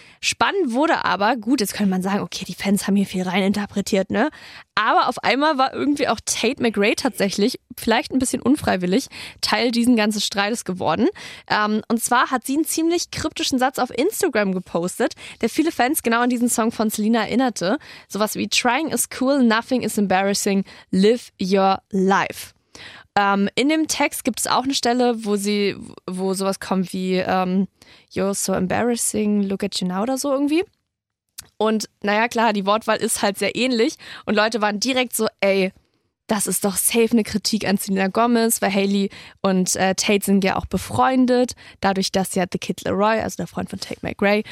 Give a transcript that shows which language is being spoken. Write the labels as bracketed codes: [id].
[de] Spannend wurde aber, gut, jetzt könnte man sagen, okay, die Fans haben hier viel reininterpretiert, ne? Aber auf einmal war irgendwie auch Tate McRae tatsächlich, vielleicht ein bisschen unfreiwillig, Teil diesen ganzen Streites geworden. Und zwar hat sie einen ziemlich kryptischen Satz auf Instagram gepostet, der viele Fans genau an diesen Song von Selena erinnerte. Sowas wie, [en] trying is cool, nothing is embarrassing, live your life. [de] In dem Text gibt es auch eine Stelle, wo sowas kommt wie, [en] you're so embarrassing, look at you now [de] oder so irgendwie. Und naja, klar, die Wortwahl ist halt sehr ähnlich und Leute waren direkt so, ey, das ist doch safe eine Kritik an Selena Gomez, weil Hailey und Tate sind ja auch befreundet, dadurch, dass ja The Kid LAROI, also der Freund von Tate McRae,